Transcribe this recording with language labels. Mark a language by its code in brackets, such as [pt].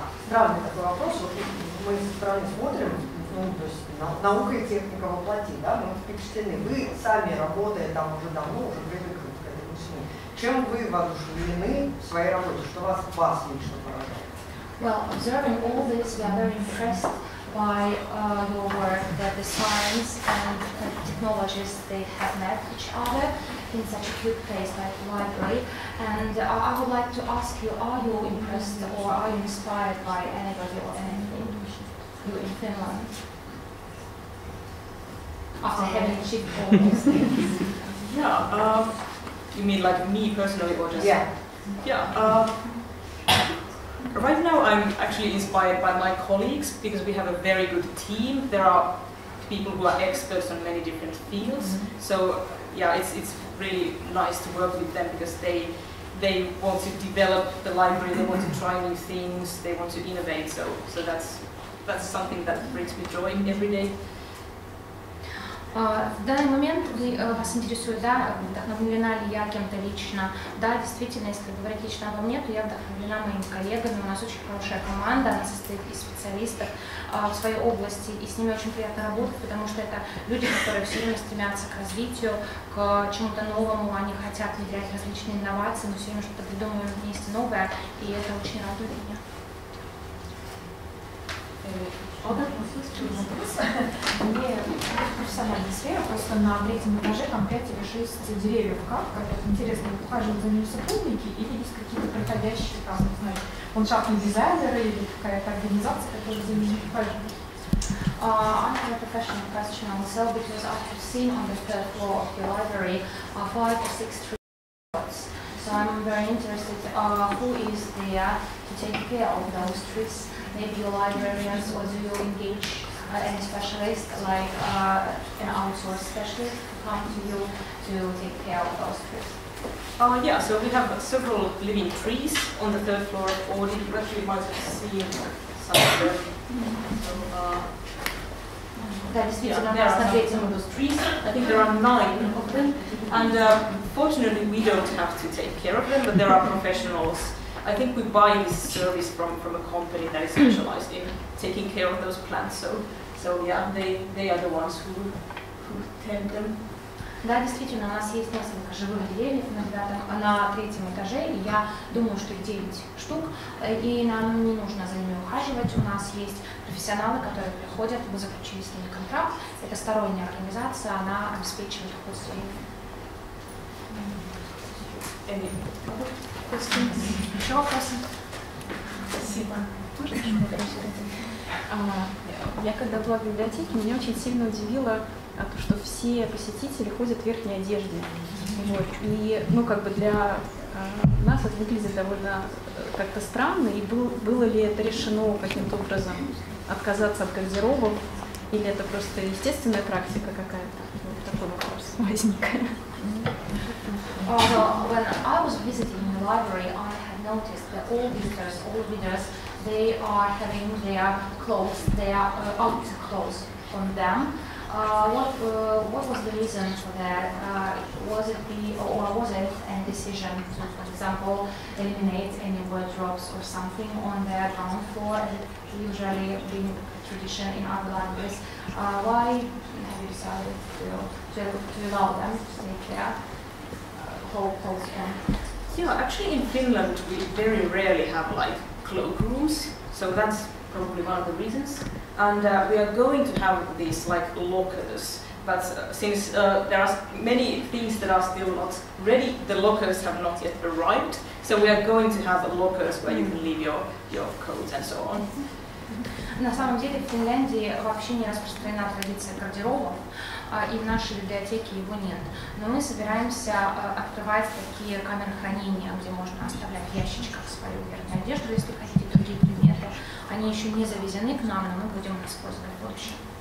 [ru] Равный такой вопрос. Вот мы со стороны смотрим, то есть наука и техника воплоти, да, мы впечатлены. Вы сами работая там уже давно, уже привыкли к этому всему. Чем вы воодушевлены в своей работе? Что вас лично поражает? [en] Well, observing all this, we are very impressed by your work, that the science and the technologies, they have met each other in such a cute place like the library. And I would like to ask you, are you impressed or are you inspired by anybody or anything you in Finland? After having achieved all those things. Yeah, you mean like me personally or just? Right now I'm actually inspired by my colleagues because we have a very good team. There are people who are experts on many different fields. Mm-hmm. So yeah, it's really nice to work with them because they want to develop the library, they want to try new things, they want to innovate. So that's something that brings me joy every day. [ru] В данный момент вас интересует, да, вдохновлена ли я кем-то лично. Да, действительно, если говорить лично обо мне, то я вдохновлена моими коллегами. У нас очень хорошая команда, она состоит из специалистов в своей области, и с ними очень приятно работать, потому что это люди, которые все время стремятся к развитию, к чему-то новому, они хотят внедрять различные инновации, мы все время что-то придумываем вместе новое, и это очень радует меня. Мне профессиональная сфера, просто на третьем этаже там 5 или 6 деревьев. Как интересно, ухаживают за ними сотрудники или есть какие-то проходящие там, не знаю, ландшафтные дизайнеры или какая-то организация, которая за ними ухаживает? [en] I have a professional question myself because I have seen on the third floor of the library 5 or 6 trees. So I'm very interested, who is there to take care of those trees? Maybe your librarians, or do you engage any specialist, like an outsourced specialist, to come to you to take care of those trees? Yeah, so we have several living trees on the third floor of Oodi. You actually might have seen some of them. That is yeah, some of those trees. I think there are 9 of them. And fortunately, we don't have to take care of them, but there are professionals. I think we buy this service from a company that is specialized in taking care of those plants. So yeah, they are the ones who tend them. [ru] Да, действительно, у нас есть несколько живых деревьев на третьем этаже, и я думаю, что их 9 штук, и нам не нужно за ними ухаживать. У нас есть профессионалы, которые приходят, мы заключили с ними контракт. Это сторонняя организация, она обеспечивает уход за ними. Еще вопросы? Спасибо. Я когда была в библиотеке, меня очень сильно удивило то, что все посетители ходят в верхней одежде. Вот. И ну, как бы для нас это выглядит довольно как-то странно. И было ли это решено каким-то образом отказаться от гардеробов? Или это просто естественная практика какая-то? Вот такой вопрос возник. [en] When I was visiting the library, I had noticed that all visitors they are having their clothes, their outer clothes on them. What was the reason for that? Was it the or was it a decision to, for example, eliminate any wardrobes or something on their ground floor? Usually, being a tradition in other languages, why have you decided to allow them to take their whole clothes on? Yeah, actually, in Finland, we very rarely have like cloak rooms, so that's probably one of the reasons. And we are going to have these like lockers, but since there are many things that are still not ready, the lockers have not yet arrived. So we are going to have lockers where you can leave your coats and so on. [ru] На самом деле в Финляндии вообще не распространена традиция гардеробов, и в нашей библиотеке его нет. Но мы собираемся открывать такие камеры хранения, где можно оставлять в ящичках свою верхнюю одежду, если хотите другие предметы. Они еще не завезены к нам, но мы будем их использовать в будущем.